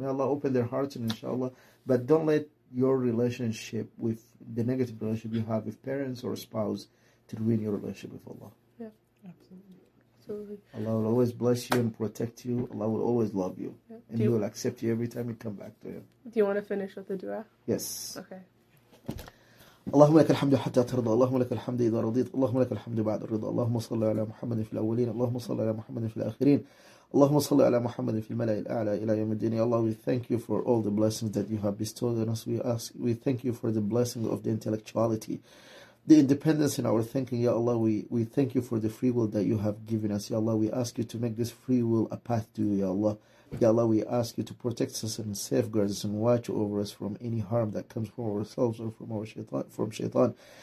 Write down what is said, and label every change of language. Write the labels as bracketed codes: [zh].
[en] May Allah open their hearts, and inshallah. But don't let your relationship with the negative relationship you have with parents or spouse to ruin your relationship with Allah. Yeah, absolutely. Allah will always bless you and protect you. Allah will always love you. Yeah. And He will accept you every time you come back to Him. Do you want to finish with the dua? Yes. Okay. [ar] اللهم لك الحمد حتى ترضى اللهم لك الحمد إذا رضيت اللهم لك الحمد بعد الرضا اللهم صل على محمد في الأولين اللهم صل على محمد في الآخرين اللهم صل على محمد في الملأ الأعلى إلى يوم الدين. [en] Allah, we thank you for all the blessings that you have bestowed on us. We thank you for the blessing of the intellectuality, the independence in our thinking. Ya Allah, we thank you for the free will that you have given us. Ya Allah, we ask you to make this free will a path to you, Ya Allah. Ya Allah, we ask you to protect us and safeguard us and watch over us from any harm that comes from ourselves or from our shaitan. From shaitan.